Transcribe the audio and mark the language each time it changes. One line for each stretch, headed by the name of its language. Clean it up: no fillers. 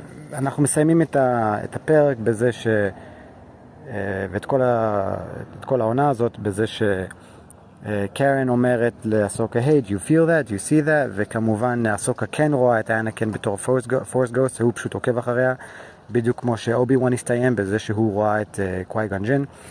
Hebrew: ואנחנו מסיימים את הפרק בזה ש... ואת כל העונה הזאת בזה ש... קארן אומרת לאסוקה,
English: hey, do you feel that? Do you see that?
Hebrew: וכמובן, אסוקה כן רואה את אנקן בתור פורס גוסט, והוא פשוט עוקב אחריה, בדיוק כמו שאובי-ואן הסתיים בזה שהוא רואה את קווי-גון ג'ין.